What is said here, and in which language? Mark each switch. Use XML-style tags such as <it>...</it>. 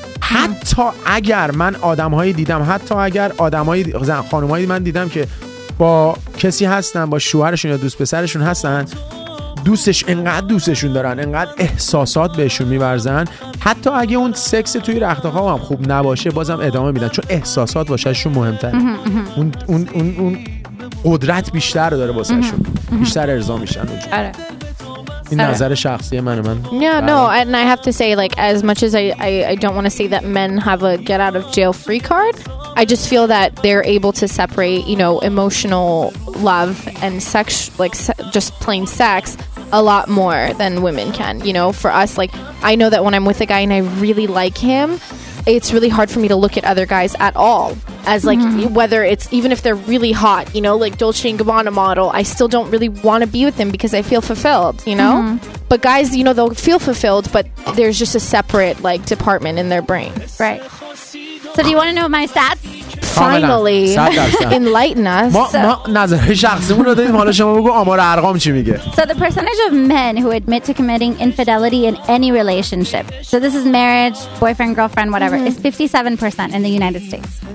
<fa>حتی اگر من آدمهایی دیدم، حتی اگر آدمهایی زن خانمهایی من دیدم که با کسی هستن، با شوهرشون یا دوست پسرشون هستن، دوستش انقدر دوستشون دارن، انقدر احساسات بهشون میبرزن، حتی اگه اون سکس توی رختخواب هم خوب نباشه بازم ادامه میدن، چون احساسات واسهشون مهمتره. اون قدرت بیشتر داره واسهشون، بیشتر ارضا میشن. آره این نظر شخصی منه. من</fa> <en>and I have to say, like, as much as I don't want to say that men have a get out of jail free card, I just feel that they're able to separate, you know, emotional love and sex, like just plain sex, a lot more than women can. You know, for us, like, I know that when I'm with a guy and I really like him, it's really hard for me to look at other guys at all as like, whether it's even if they're really hot, you know, like Dolce and Gabbana model, I still don't really want to be with them because I feel fulfilled, you know. But guys, you know, they'll feel fulfilled, but there's just a separate like department in their brain, right? So do you want to know my stats? finally enlighten us.</en> <fa>ما نظر شخصیمون رو دادیم، حالا شما بگو آمار ارقام چی میگه.</fa> <en>So the percentage of men who admit to committing infidelity in any relationship, so this is marriage, boyfriend, girlfriend, whatever, is 57% in the United States.</en>